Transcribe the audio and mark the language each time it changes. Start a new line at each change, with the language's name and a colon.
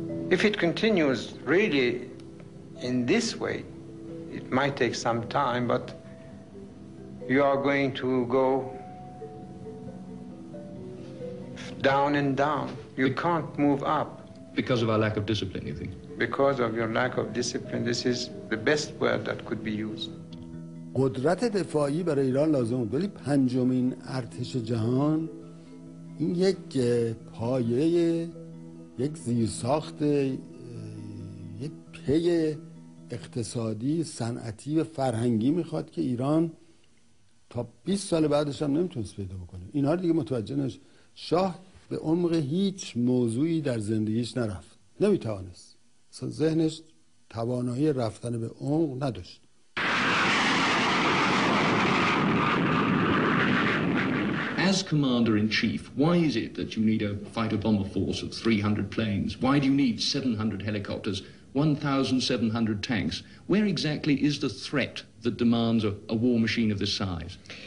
English: If it continues really in this way, it might take some time, but you are going to go down and down. You can't move up. Because of our lack of discipline, you think? Because of your lack of discipline. This is the best word that could be used.
Persian: قدرت دفاعی برای ایران لازم بود، ولی پنجمین ارتش جهان این یک پایه، یک زیرساخت، یک پی اقتصادی، صنعتی و فرهنگی میخواد که ایران تا 20 سال بعدش هم نمیتونست پیدا بکنه. اینها رو دیگه متوجه نشد. شاه به عمق هیچ موضوعی در زندگیش نرفت، نمیتوانست، ذهنش توانایی رفتن به عمق نداشت.
English: As commander-in-chief, why is it that you need a fighter-bomber force of 300 planes? Why do you need 700 helicopters, 1,700 tanks? Where exactly is the threat that demands a war machine of this size?